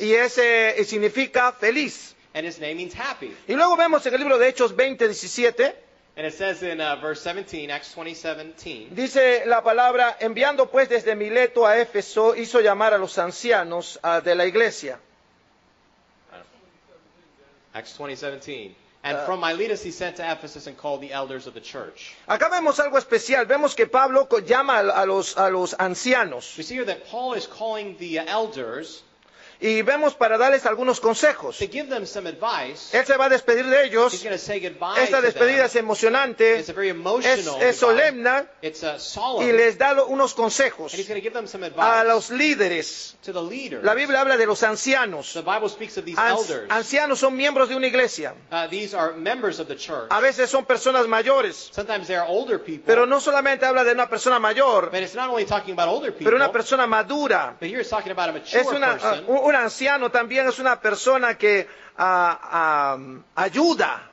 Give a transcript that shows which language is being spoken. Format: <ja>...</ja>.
<es>Y ese significa feliz.</es> <en>And his name means happy.</en> <es>Y luego vemos en el libro de Hechos 20:17.</es> <en>And it says in verse 17, Acts 20:17.</en> <es>Dice la palabra, enviando pues desde Mileto a Éfeso, hizo llamar a los ancianos de la iglesia.</es> <en>Acts 20:17. And from Miletus he sent to Ephesus and called the elders of the church.</en> <es>Acá vemos algo especial. Vemos que Pablo llama a los ancianos.</es> <en>We see here that Paul is calling the elders.</en> <es>Y vemos para darles algunos consejos.</es> <en>To give them some advice.</en> <es>Él se va a despedir de ellos.</es> <en>He's going to say goodbye.</en> <es>Esta despedida</es> <en>to them.</en> <es>Es emocionante.</es> <en>It's a very emotional</en> <es>es solemne.</es> <en>It's a solemn.</en> <es>Y les da unos consejos.</es> <en>And he's going to give them some advice.</en> <es>A los líderes.</es> <en>To the leaders.</en> <es>La Biblia habla de los ancianos.</es> <en>The Bible speaks of these elders.</en> <es>Ancianos son miembros de una iglesia.</es> <en>These are members of the church.</en> <es>A veces son personas mayores.</es> <en>Sometimes they are older people.</en> <es>Pero no solamente habla de una persona mayor.</es> <en>But it's not only talking about older people.</en> <es>Pero una persona madura.</es> <en>But here it's talking about a mature</en> <es>es una,</es> <en>person.</en> <es>Un anciano también es una persona que ayuda.</es>